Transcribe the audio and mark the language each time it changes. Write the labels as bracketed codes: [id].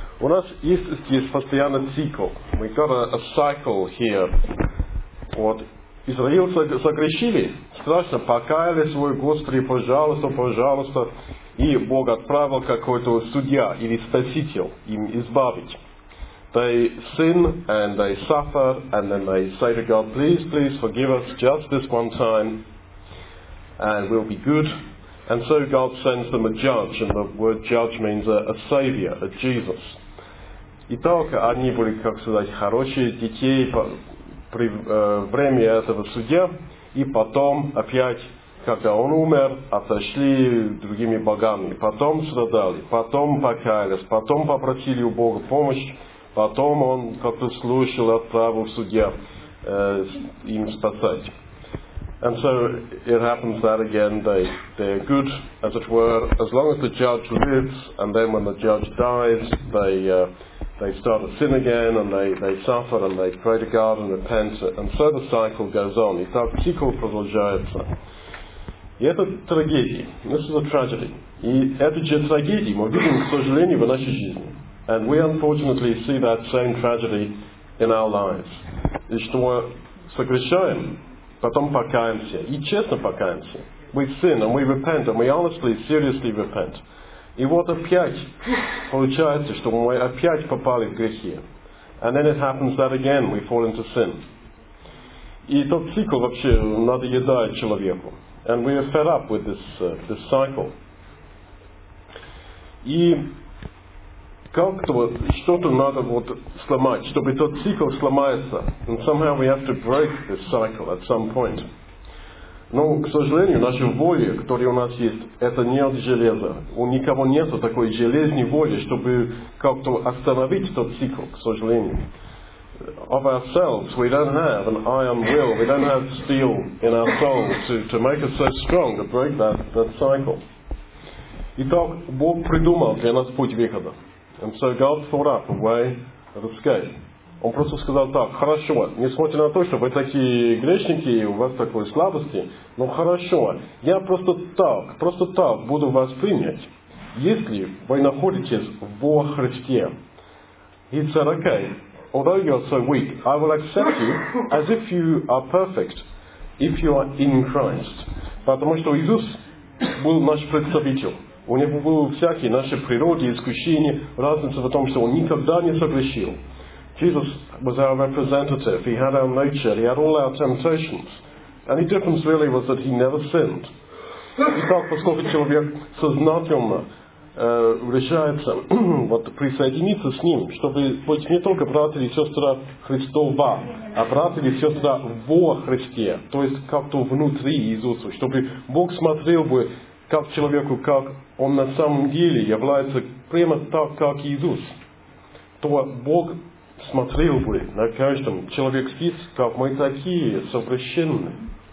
[ru] У нас есть постоянный цикл. [en] We got a cycle here. Вот. [ru] Израильцы согрешили, страшно покаяли свой Господи, пожалуйста, пожалуйста. И Бог отправил какой-то судья или спаситель им избавить. [en] They sin and they suffer and then they say to God, please, please forgive us just this one time and we'll be good. And so God sends them a judge, and the word judge means a savior, a Jesus. [ru] Итак, они были, как сказать, хорошие детей при время этого судья, и потом опять, когда он умер, отошли другими богами, потом страдали, потом покаялись, потом попросили у Бога помощь, потом он как-то слушал, отправил судья им спасать. [en] And so it happens that again, they're good, as it were, as long as the judge lives, and then when the judge dies, they start to sin again, and they suffer, and they pray to God and repent, and so the cycle goes on. [ru] Итак, цикл продолжается. И это трагедия. [en] This is a tragedy. [ru] И это же трагедия, мы видим, к сожалению, в нашей жизни. [en] And we unfortunately see that same tragedy in our lives. [ru] И что мы согрешаем, потом покаемся. И честно покаемся. [en] We sin and we repent and we honestly, seriously repent. [ru] И вот опять получается, что мы опять попали в грехи. [en] And then it happens that again we fall into sin. [ru] И тот цикл вообще надоедает человеку. [en] And we are fed up with this cycle. [ru] И как-то вот что-то надо вот сломать, чтобы тот цикл сломается. [en] And somehow we have to break this cycle at some point. [ru] Но, к сожалению, наша воля, которая у нас есть, это не от железа. У никого нету такой железной воли, чтобы как-то остановить тот цикл, к сожалению. [en] Of ourselves, we don't have an iron will. We don't have steel in our soul to make us so strong to break that cycle. [ru] Итак, Бог придумал для нас путь выхода. [en] And so God thought up a way of escape. [ru] Он просто сказал так, хорошо, несмотря на то, что вы такие грешники, и у вас такой слабости, но хорошо, я просто так буду вас принять, если вы находитесь во Христе. [en] He said, okay, although you are so weak, I will accept you as if you are perfect, if you are in Christ. [ru] Потому что Иисус был наш представитель. У него были всякие наши природы, искушения, разница в том, что он никогда не согрешил. [en] Jesus was our representative, he had our nature, he had all our temptations. And the difference really was that he never sinned. [ru] Итак, поскольку человек сознательно решается вот, присоединиться с ним, чтобы быть не только брат или сестра Христова, а брат или сестра во Христе, то есть как-то внутри Иисуса, чтобы Бог смотрел бы как человеку, как он на самом деле является прямо так, как Иисус, то Бог смотрел бы на каждом человек спит, как мы такие совершенные.